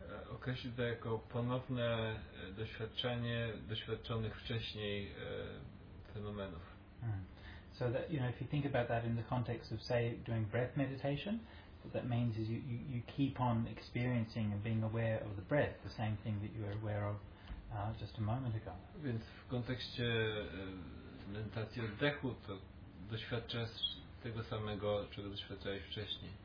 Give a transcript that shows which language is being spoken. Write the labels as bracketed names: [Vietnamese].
[Polish] Określi to jako ponowne doświadczenie doświadczonych wcześniej fenomenów. [English] So that, you know, if you think about that in the context of, say, doing breath meditation, what that means is you keep on experiencing and being aware of the breath, the same thing that you were aware of just a moment ago. [Polish] Więc w kontekście medytacji oddechu to doświadczasz tego samego, czego doświadczałeś wcześniej.